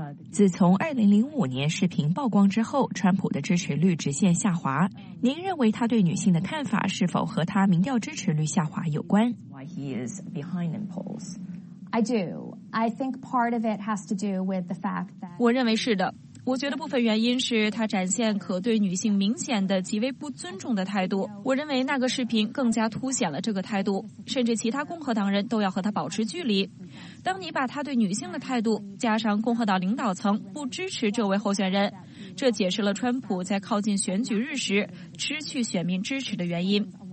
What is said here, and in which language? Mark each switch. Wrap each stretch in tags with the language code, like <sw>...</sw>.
<zh>自从2005年视频曝光之后，川普的支持率直线下滑。您认为他对女性的看法是否和他民调支持率下滑有关？</zh> <en>Why he is behind in polls. I do. I think part of it has to do with the fact that</en> <zh>我认为是的。我觉得部分原因是他展现可对女性明显的极为不尊重的态度。我认为那个视频更加凸显了这个态度，甚至其他共和党人都要和他保持距离。当你把他对女性的态度加上共和党领导层不支持这位候选人，这解释了川普在靠近选举日时失去选民支持的原因。</zh>